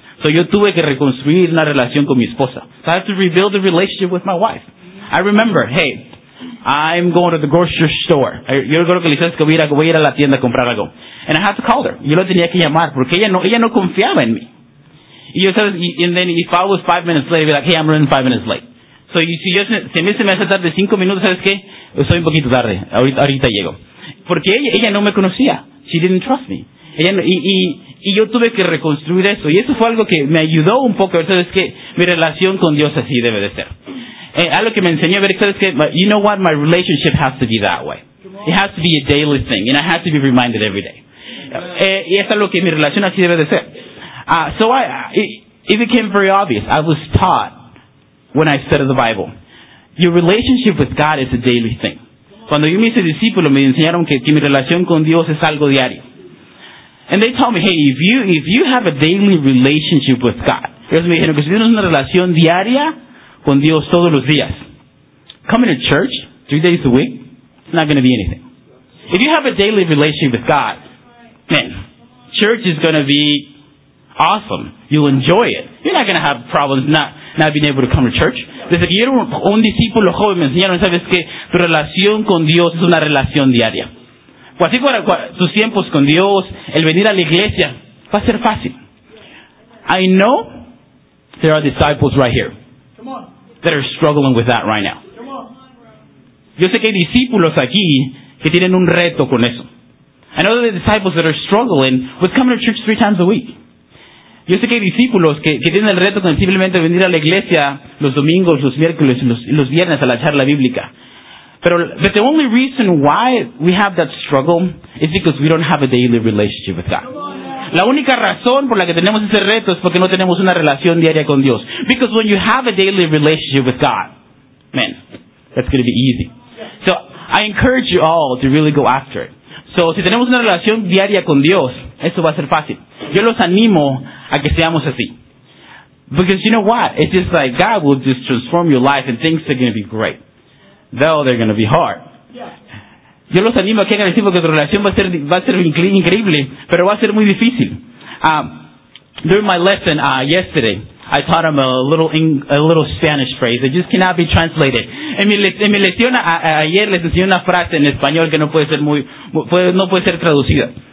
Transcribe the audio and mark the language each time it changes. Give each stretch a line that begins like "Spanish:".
Spanish: So yo tuve que reconstruir una relación con mi esposa.
English: So I had to rebuild a relationship with my wife. I remember, hey, I'm going to the grocery store.
Spanish: Yo recuerdo que le dije que voy a ir a la tienda a comprar algo.
English: And I had to call her.
Spanish: Yo lo tenía que llamar porque ella no confiaba en mí. Y yo sabes,
English: and then if I was 5 minutes late, I'd be like, hey, I'm running 5 minutes late.
Spanish: So si a mí se me hace tarde 5 minutos, ¿sabes qué? Estoy un poquito tarde. Ahorita llego. Porque ella no me conocía.
English: She didn't trust me.
Spanish: Y yo tuve que reconstruir eso. Y eso fue algo que me ayudó un poco. ¿Sabes qué? Mi relación con Dios así debe de ser. Algo que me enseñó a ver, ¿sabes qué?
English: You know what? My relationship has to be that way. It has to be a daily thing. And I have to be reminded every day.
Spanish: Y eso es lo que mi relación así debe de ser.
English: So it became very obvious. I was taught when I studied the Bible. Your relationship with God is a daily thing.
Spanish: Cuando yo me hice discípulo, me enseñaron que mi relación con Dios es algo diario.
English: And they told me, hey, if you have a daily relationship with God,
Spanish: ellos me dijeron que si tienes una relación diaria con Dios todos los días,
English: coming to church 3 days a week, it's not going to be anything. If you have a daily relationship with God, man, church is going to be awesome. You'll enjoy it. You're not going to have problems not being able to come to church.
Spanish: Desde que yo era un discípulo joven, me enseñaron, ¿sabes qué? Tu relación con Dios es una relación diaria. Así fuera tus tiempos con Dios, el venir a la iglesia, va a ser fácil.
English: I know there are disciples right here that are struggling with that right now.
Spanish: Yo sé que hay discípulos aquí que tienen un reto con eso.
English: I know there are disciples that are struggling with coming to church 3 times a week.
Spanish: Yo sé que hay discípulos que tienen el reto con simplemente venir a la iglesia los domingos, los miércoles y los viernes a la charla bíblica.
English: But the only reason why we have that struggle is because we don't have a daily relationship with God.
Spanish: La única razón por la que tenemos ese reto es porque no tenemos una relación diaria con Dios.
English: Because when you have a daily relationship with God, man, that's going to be easy. So I encourage you all to really go after it.
Spanish: So si tenemos una relación diaria con Dios, eso va a ser fácil. Yo los animo a que seamos así.
English: Because you know what? It's just like God will just transform your life and things are going to be great. Though they're going to be hard.
Spanish: Yo los animo a que hagan así porque su relación va a ser increíble, pero va a ser muy difícil.
English: During my lesson yesterday, I taught him a little Spanish phrase that just cannot be translated.
Spanish: En mi lección ayer les enseñé una frase en español que no puede ser traducida.